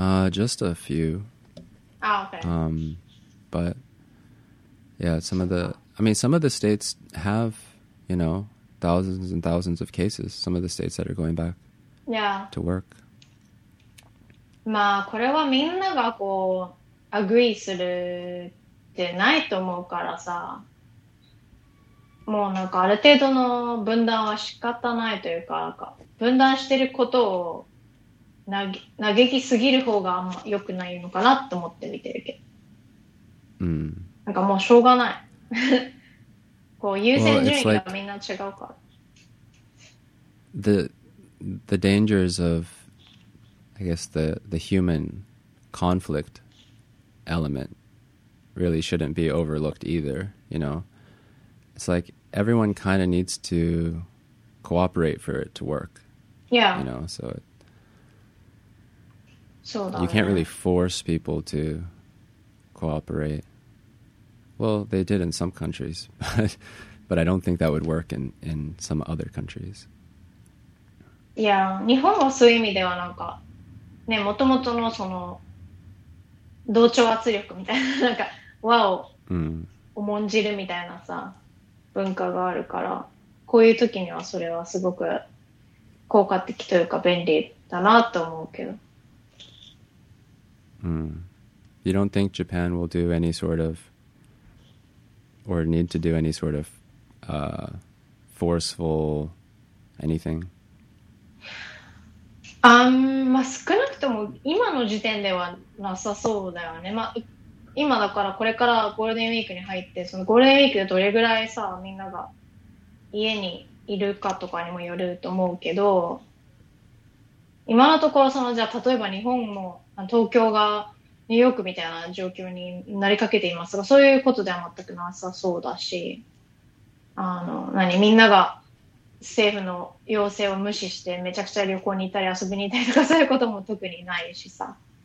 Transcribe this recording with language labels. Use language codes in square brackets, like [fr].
[en] Just a few. Oh, okay. But yeah, some of the states have, you know, thousands and thousands of cases. Some of the states that are going back. Yeah. To work. [ja] まあこれはみんながこうアグリーするってないと思うからさ。もうなんかある程度の分断は仕方ないというか、なんか分断してることを嘆きすぎる方があんま良くないのかなと思って見てるけど。うん。なんかもうしょうがない。こう優先順位がみんな違うから。 [en] Well, like、the dangers of, I guess, the human conflict element really shouldn't be overlooked either, you know? It's like everyone kind of needs to cooperate for it to work. Yeah. You know, so. So you can't really force people to cooperate. Well, they did in some countries, but I don't think that would work in some other countries. [ja] Yeah. 日本はそういう意味ではなんか、ね、もともとのその同調圧力みたいな、なんか和を重んじるみたいなさ。文化があるから、こういう時にはそれはすごく効果的というか便利だなと思うけど。 Mm. [en] You don't think Japan will do any sort of or need to do any sort of forceful anything? [ja] まあ少なくとも今の時点ではなさそうだよね。まあ今だからこれからゴールデンウィークに入ってそのゴールデンウィークでどれぐらいさみんなが家にいるかとかにもよると思うけど今のところそのじゃあ例えば日本も東京がニューヨークみたいな状況になりかけていますがそういうことでは全くなさそうだしあの何みんなが政府の要請を無視してめちゃくちゃ旅行に行ったり遊びに行ったりとかそういうことも特にないしさ